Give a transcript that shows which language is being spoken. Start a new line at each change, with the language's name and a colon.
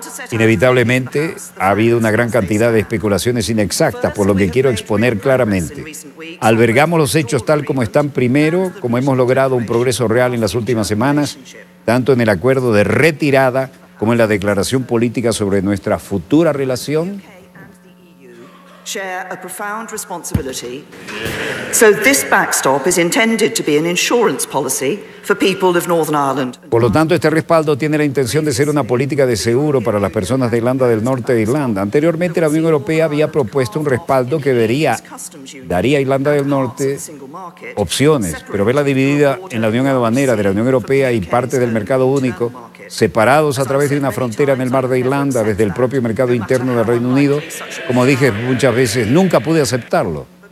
Spanish: Inevitablemente ha habido una gran cantidad de especulaciones inexactas, por lo que quiero exponer claramente. Albergamos los hechos tal como están, primero, como hemos logrado un progreso real en las últimas semanas, tanto en el acuerdo de retirada como en la declaración política sobre nuestra futura relación.
English: Share a profound responsibility. So this backstop is intended to be an insurance policy for people of Northern Ireland.
Spanish: Por lo tanto, este respaldo tiene la intención de ser una política de seguro para las personas de Irlanda del Norte de Irlanda. Anteriormente, la Unión Europea había propuesto un respaldo que daría a Irlanda del Norte opciones, pero verla dividida en la Unión Aduanera de la Unión Europea y parte del mercado único, separados a través de una frontera en el mar de Irlanda desde el propio mercado interno del Reino Unido, como dije muchas veces, nunca pude aceptarlo.